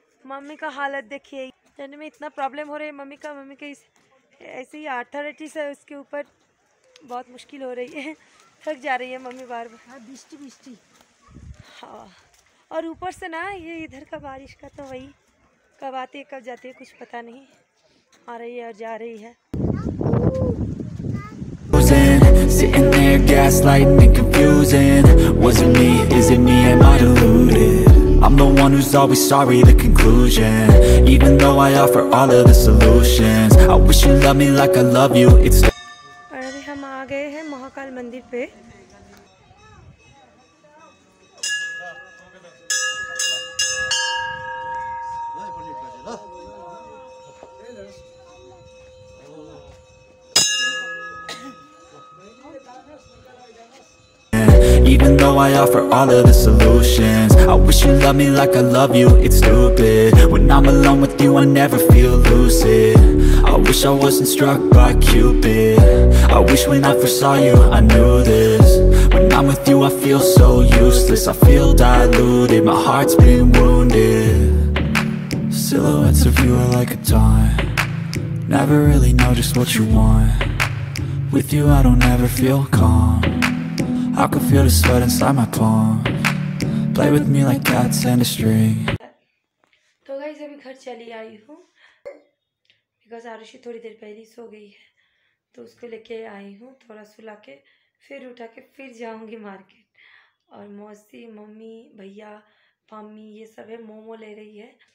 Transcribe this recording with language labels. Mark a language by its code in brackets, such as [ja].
[hi] Mummy का हालत देखिए, यानी में इतना प्रॉब्लम हो रही है मम्मी का, मम्मी के ऐसे ही आर्थराइटिस है, उसके ऊपर बहुत मुश्किल हो रही है, थक जा रही है मम्मी बार बार। बिस्टी बिस्टी हाँ, और ऊपर से ना ये इधर का बारिश का तो वही, कब आती है कब जाती है कुछ पता नहीं, आ रही है और जा रही है। [en] Sitting there gaslighting and confusing. Was it me? Is it me? Am I deluded? I'm the one who's always sorry, the conclusion. Even though I offer all of the solutions. I wish you loved me like I love you. [hi] It's अरे हम आ गए हैं महाकाल मंदिर पे। [en] Even though I offer all of the solutions, I wish you loved me like I love you. It's stupid when I'm alone with you, I never feel lucid. I wish I wasn't struck by Cupid. I wish when I first saw you, I knew this. When I'm with you, I feel so useless. I feel diluted, my heart's been wounded. Silhouettes of you are like a time, never really know just what you want. With you, I don't ever feel calm. I could feel the sweat inside my palm. Play with me like cats and a string. [hi] तो guys अभी घर चली आई हूँ, because Arushi थोड़ी देर पहले सो गई है, तो उसको लेके आई हूँ थोड़ा सुला के, फिर उठा के फिर जाऊँगी मार्केट। और मौसी, मम्मी, भैया, पामी ये सब है, मोमो ले रही है।